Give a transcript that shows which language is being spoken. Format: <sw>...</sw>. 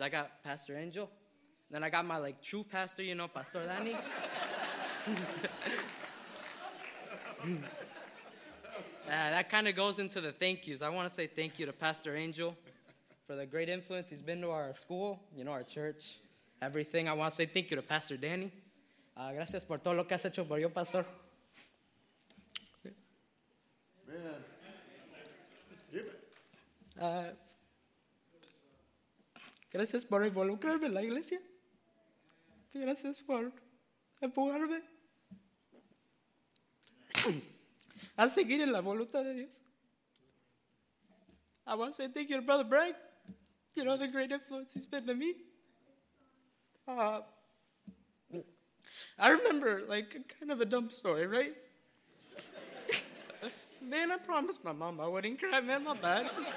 <en>I got Pastor Angel, and then I got my, like, true pastor, you know, Pastor Danny. That kind of goes into the thank yous. I want to say thank you to Pastor Angel for the great influence he's been to our school, you know, our church, everything. I want to say thank you to Pastor Danny.</en> <es>Gracias por todo lo que has hecho por yo, Pastor.</es> <en>Man.</en> <es>Gracias por involucrarme en la iglesia. Gracias por empujarme a seguir en la voluntad de Dios.</es> <en>I want to say thank you to Brother Brian. You know, the great influence he's been to me. I remember, like, kind of a dumb story, right? Man, I promised my mom I wouldn't cry, man, my bad.</en>